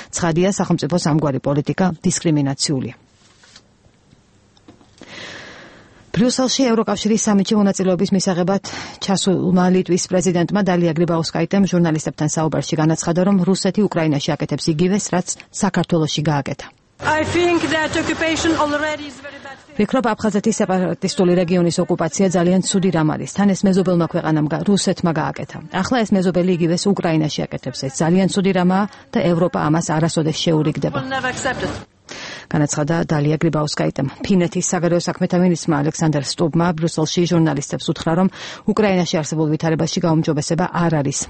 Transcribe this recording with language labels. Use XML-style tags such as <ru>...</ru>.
<ka>ცხადია, სახელმწიფოს ამგვარი პოლიტიკა დისკრიმინაციულია. ბრიუსელში ევროკავშირის სამიტში მონაწილეობის მისაღებად ჩასულმა ლიტვის პრეზიდენტმა დალია გრიბაუსკაიტემ ჟურნალისტებთან საუბარში განაცხადა, რომ რუსეთი უკრაინაში აკეთებს იგივეს, რაც საქართველოში გააკეთა.</ka> <en>I think that occupation already is very bad thing.</en> <ka>ვიქრობ, აფხაზეთის სეპარატისტული რეგიონის ოკუპაცია ძალიან ცუდი რამ არის. თან ეს მეზობელმა ქვეყანამ რუსეთმა გააკეთა. ახლა ეს მეზობელი იგივეს უკრაინაში აკეთებს. ეს ძალიან ცუდი რამაა და ევროპა ამას არასოდეს შეურიგდება. განაცხადა დალია გრიბაუსკაიტემ. ფინეთის საგარეო საქმეთა მინისტრმა ალექსანდერ სტუბმა ბრიუსელში ჟურნალისტებს უთხრა, რომ უკრაინაში არსებულ ვითარებაში გაუმჯობესება არ არის.</ka>